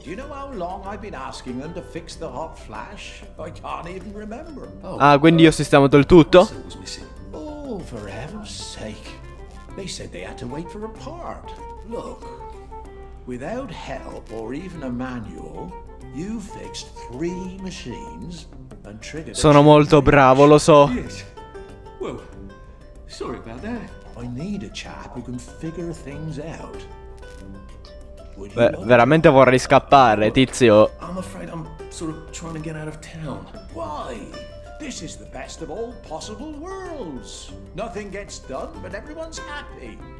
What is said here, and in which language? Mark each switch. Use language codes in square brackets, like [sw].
[en] Do you know how long I've been asking them to fix the hot flash? I can't even remember. [it] Oh, ah, quindi ho sistemato il tutto? [en] Oh, for heaven's sake. They said they had to wait for a part. Look, without help or even a manual, you fixed three machines and triggered... [it] Sono molto bravo, lo so. [en] Yes. Well, sorry about that. I need a chap who can figure things out. [it] Beh, veramente vorrei scappare, tizio. [en] I'm afraid I'm sort of trying to get out of town. Why? This is the best of all possible worlds. Nothing gets done, but everyone's happy.